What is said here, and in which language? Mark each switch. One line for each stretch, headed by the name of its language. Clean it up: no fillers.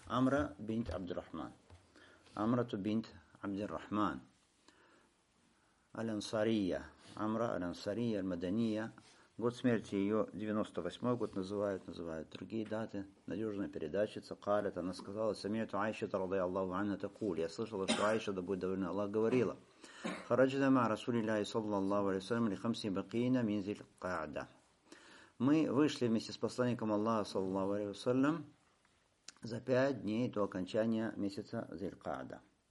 Russian: Амра бинт Абдур-Рахман. Амрату бинт Абдур-Рахман. Аль-Ансария. Амра, Аль-Ансария, Аль-Мадания. Год смерти ее, 98-й год называют другие даты. Надежная передатчица, Калет, она сказала,
Arabic: «Самиту Айшата, радая Аллаху анна такуль».
Russian: Я слышала, что Айша, да будет довольна, Аллах говорила.
Arabic: خرجنا مع رسول الله صلى الله عليه وسلم لخمس بقينا من ذي القعدة.
Russian: Мы вышли вместе с посланником Аллаха
Arabic: صلى الله عليه وسلم
Russian: за пять дней до окончания месяца ذي القعدة.